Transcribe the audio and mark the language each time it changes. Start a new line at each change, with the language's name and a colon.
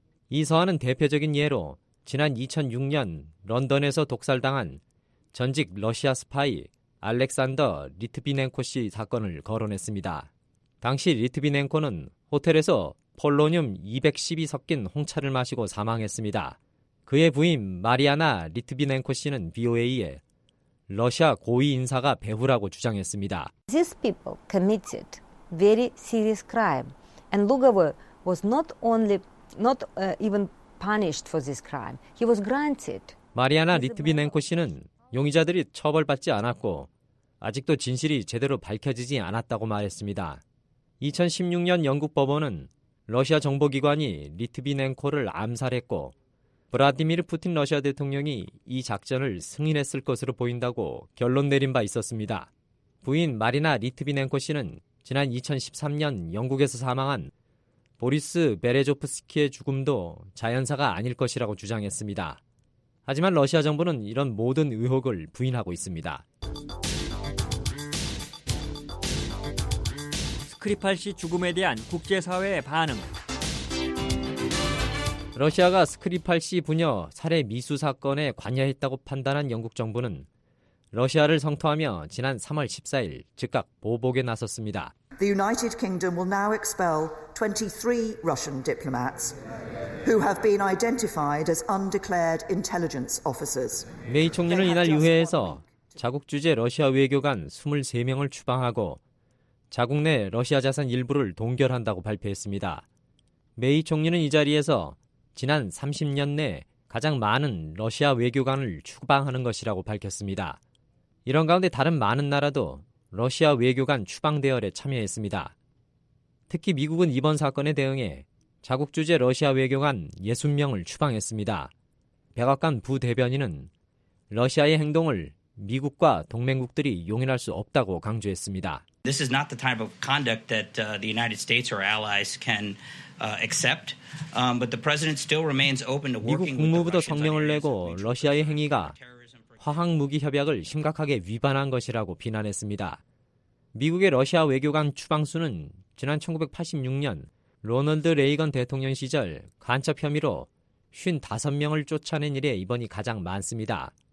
Korean: 이 서한은 대표적인 예로 지난 2006년 런던에서 독살당한 전직 러시아 스파이 알렉산더 리트비넨코 씨 사건을 거론했습니다. 당시 리트비넨코는 호텔에서 폴로늄 212 섞인 홍차를 마시고 사망했습니다. 그의 부인 마리아나 리트비넨코 씨는 VOA에 러시아 고위 인사가 배후라고 주장했습니다.
English: These people committed very serious crime, and Lugova was not even punished for this crime. He was granted.
Korean: 마리아나 리트비넨코 씨는 용의자들이 처벌받지 않았고 아직도 진실이 제대로 밝혀지지 않았다고 말했습니다. 2016년 영국 법원은 러시아 정보기관이 리트비넨코를 암살했고 브라디미르 푸틴 러시아 대통령이 이 작전을 승인했을 것으로 보인다고 결론 내린 바 있었습니다. 부인 마리나 리트비넨코 씨는 지난 2013년 영국에서 사망한 보리스 베레조프스키의 죽음도 자연사가 아닐 것이라고 주장했습니다. 하지만 러시아 정부는 이런 모든 의혹을 부인하고 있습니다. 스크리팔 씨 죽음에 대한 국제사회의 반응. 러시아가 스크리팔 씨 부녀 살해 미수 사건에 관여했다고 판단한 영국 정부는 러시아를 성토하며 지난 3월 14일 즉각 보복에 나섰습니다.
English: The United Kingdom will now expel 23 Russian diplomats who have been identified as undeclared intelligence officers.
Korean: 메이 총리는 이날 유회에서 자국 주재 러시아 외교관 23명을 추방하고 자국 내 러시아 자산 일부를 동결한다고 발표했습니다. 메이 총리는 이 자리에서 지난 30년 내 가장 많은 러시아 외교관을 추방하는 것이라고 밝혔습니다. 이런 가운데 다른 많은 나라도 러시아 외교관 추방 대열에 참여했습니다. 특히 미국은 이번 사건에 대응해 자국 주재 러시아 외교관 60명을 추방했습니다. 백악관 부대변인은 러시아의 행동을 미국과 동맹국들이 용인할 수 없다고 강조했습니다.
English: This is not the type of conduct that the United States or allies can accept. But the president still remains open to working with the Russians.
Korean: 미국 국무부도 성명을 내고 러시아의 행위가 화학 무기 협약을 심각하게 위반한 것이라고 비난했습니다. 미국의 러시아 외교관 추방수는 지난 1986년 로널드 레이건 대통령 시절 간첩 혐의로 55명을 쫓아낸 이래 이번이 가장 많습니다.